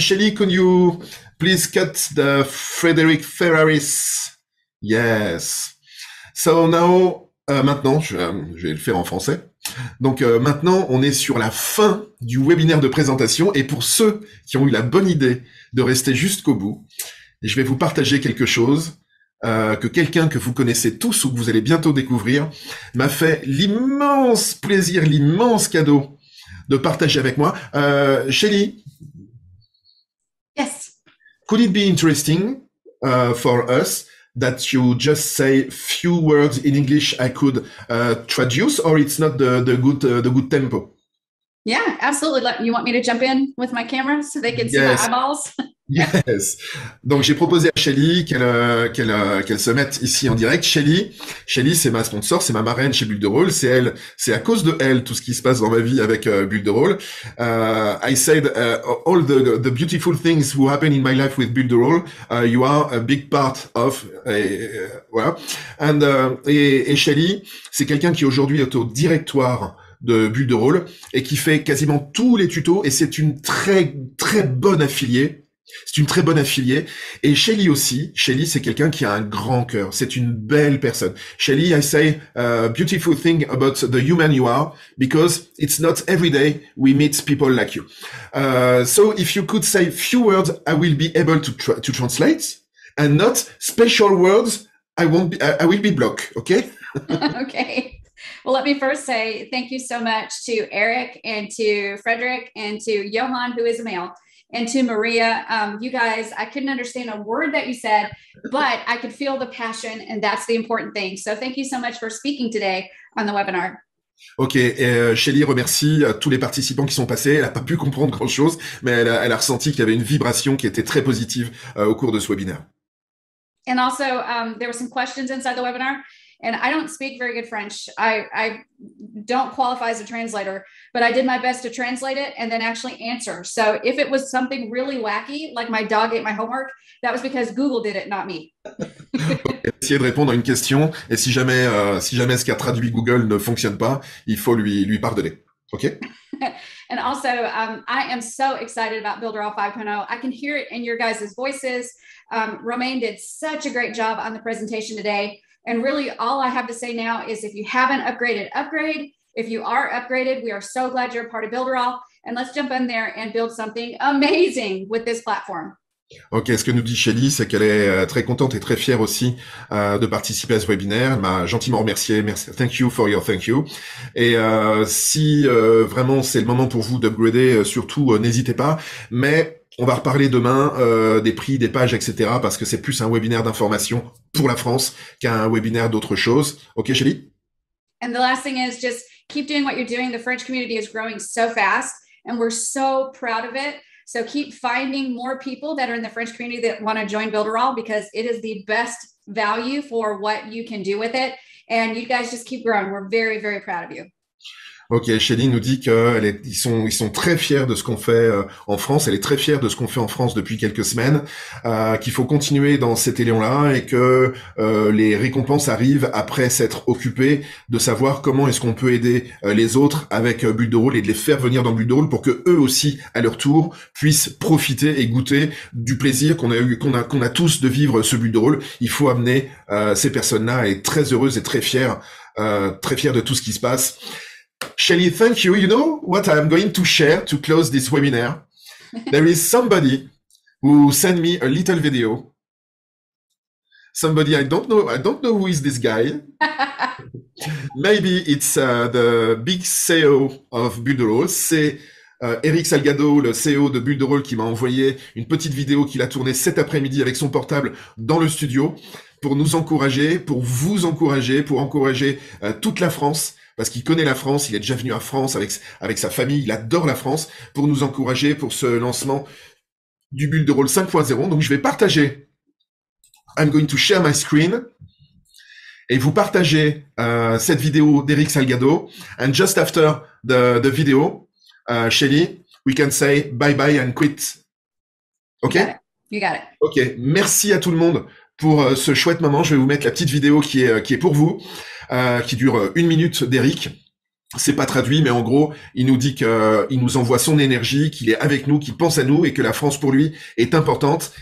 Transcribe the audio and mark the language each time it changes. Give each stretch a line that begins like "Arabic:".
English: Shelley, can you please cut the Frederick Ferraris? Yes. So now,
French: maintenant, je vais le faire en français. Donc maintenant, on est sur la fin du webinaire de présentation. Et pour ceux qui ont eu la bonne idée de rester jusqu'au bout, je vais vous partager quelque chose. Que quelqu'un que vous connaissez tous ou que vous allez bientôt découvrir m'a fait l'immense plaisir, l'immense cadeau de partager avec moi. Shelley. Yes.
English: Could it be interesting for us that you just say few words in English I could traduce, or it's not the good tempo? Yeah, absolutely. You want me to jump in with my camera so they can see my eyeballs? Yes.
French: Donc j'ai proposé à Shelley qu'elle se mette ici en direct. Shelley, c'est ma sponsor, c'est ma marraine chez Bulle de rôle. C'est elle. C'est à cause de elle tout ce qui se passe dans ma vie avec Bulle de rôle.
English: I said all the beautiful things who happen in my life with Bulle de rôle. You are a big part of.
French: Voilà. Et Shelley, c'est quelqu'un qui aujourd'hui est au directoire de Bulle de rôle et qui fait quasiment tous les tutos. Et c'est une très très bonne affiliée. C'est une très bonne affiliée. Et Shelley aussi. Shelley, c'est quelqu'un qui a un grand cœur. C'est une belle personne.
English: Shelley, I say a beautiful thing about the human you are, because it's not every day we meet people like you. So if you could say few words, I will be able to translate, and not special words, I will be blocked. Okay? Okay. Well, let me first say thank you so much to Eric and to Frederick and to Johan, who is a male. And to Maria, you guys, I couldn't understand a word that you said, but I could feel the passion, and that's the important thing. So thank you so much for speaking today on the webinar.
French: Ok, et Shelley remercie tous les participants qui sont passés. Elle n'a pas pu comprendre grand-chose, mais elle a ressenti qu'il y avait une vibration qui était très positive au cours de ce webinaire.
English: And also, there were some questions inside the webinar. And I don't speak very good French. I don't qualify as a translator, but I did my best to translate it and then actually answer. So if it was something really wacky, like my dog ate my homework, that was because Google did it, not me.
French: Essayer de répondre à une question, et si jamais ce qu'a traduit Google ne fonctionne pas, il faut lui pardonner. Okay?
English: And also, I am so excited about Bulle de rôle 5.0. I can hear it in your guys' voices. Romain did such a great job on the presentation today. And really, all I have to say now is if you haven't upgraded, upgrade. If you are upgraded, we are so glad you're a part of Bulle de rôle. And let's jump in there and build something amazing with this platform.
French: Ok, ce que nous dit Shelley, c'est qu'elle est très contente et très fière aussi de participer à ce webinaire. Elle m'a gentiment remercié. Merci.
English: Thank you for your thank you.
French: Et si vraiment c'est le moment pour vous d'upgrader, surtout n'hésitez pas. Mais on va reparler demain des prix, des pages, etc. parce que c'est plus un webinaire d'information pour la France qu'un webinaire d'autre chose. Ok, Shelley?
English: And the last thing is just keep doing what you're doing. The French community is growing so fast and we're so proud of it. So keep finding more people that are in the French community that want to join Bulle de rôle because it is the best value for what you can do with it. And you guys just keep growing. We're very, very proud of you.
French: Ok, Chéline nous dit qu'elle est, ils sont très fiers de ce qu'on fait en France. Elle est très fière de ce qu'on fait en France depuis quelques semaines. Qu'il faut continuer dans cet élan-là et que les récompenses arrivent après s'être occupé de savoir comment est-ce qu'on peut aider les autres avec Bulle de Rôle et de les faire venir dans Bulle de Rôle pour que eux aussi, à leur tour, puissent profiter et goûter du plaisir qu'on a tous de vivre ce Bulle de Rôle. Il faut amener ces personnes-là et très heureuses et très fières de tout ce qui se passe.
English: Shelley, thank you. You know what I'm going to share to close this webinar? There is somebody who sent me a little video. Somebody I don't know who is this guy. Maybe it's the big CEO of Bulle de Rôle.
French: C'est Eric Salgado, le CEO de Bulle de Rôle, qui m'a envoyé une petite vidéo qu'il a tournée cet après-midi avec son portable dans le studio pour nous encourager, pour vous encourager, pour encourager toute la France. Parce qu'il connaît la France, il est déjà venu à France avec sa famille, il adore la France, pour nous encourager pour ce lancement du Bulle de Rôle 5.0. Donc je vais partager,
English: I'm going to share my screen,
French: et vous partagez cette vidéo d'Eric Salgado.
English: And just after the video, Shelley, we can say bye bye and quit. Ok? You got it.
French: Ok, merci à tout le monde pour ce chouette moment. Je vais vous mettre la petite vidéo qui est pour vous. Qui dure une minute d'Eric. C'est pas traduit, mais en gros, il nous dit qu'il nous envoie son énergie, qu'il est avec nous, qu'il pense à nous et que la France pour lui est importante.